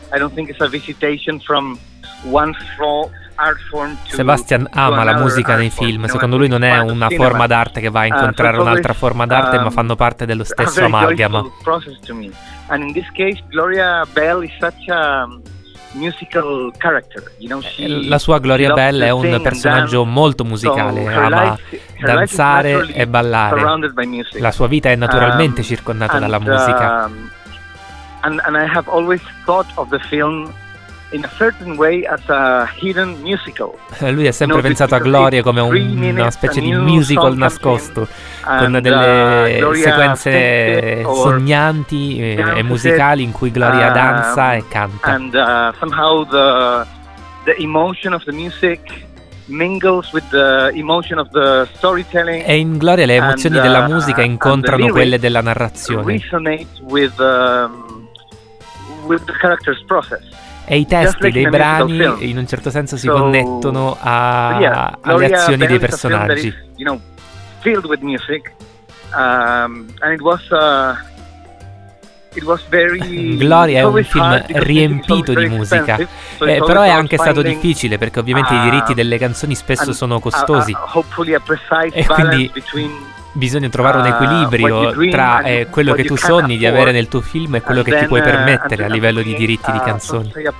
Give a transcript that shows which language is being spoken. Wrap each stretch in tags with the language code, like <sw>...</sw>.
<en>I don't think it's a visitation from one floor.</en> <it>Sebastian ama la musica nei film, secondo lui non è una forma d'arte che va a incontrare un'altra forma d'arte, ma fanno parte dello stesso amalgama.</it> <en>And in this case Gloria Bell is such a musical character, you know, she</en> <it>la sua Gloria Bell è un personaggio molto musicale, ama danzare e ballare. La sua vita è naturalmente circondata dalla musica.</it> <en>And I have always thought of the film in a certain way as a hidden musical.</en> <it>Lui ha sempre pensato a Gloria come una specie di musical nascosto, con delle sequenze sognanti e musicali in cui Gloria danza e canta.</it> <en>And somehow the emotion of the music mingles with the emotion of the storytelling.</en> <it>E in Gloria le emozioni della musica incontrano quelle della narrazione.</it> <en>Resonate with the character's process.</en> <it>E i testi dei brani in un certo senso si connettono alle azioni dei personaggi.</it> <en>You know, filled with music, and it was</en> <it>Gloria è un film riempito di musica, però è anche stato difficile perché ovviamente i diritti delle canzoni spesso sono costosi. E quindi bisogna trovare un equilibrio tra quello che tu sogni di avere nel tuo film e quello che ti puoi permettere a livello di diritti di canzoni.</it>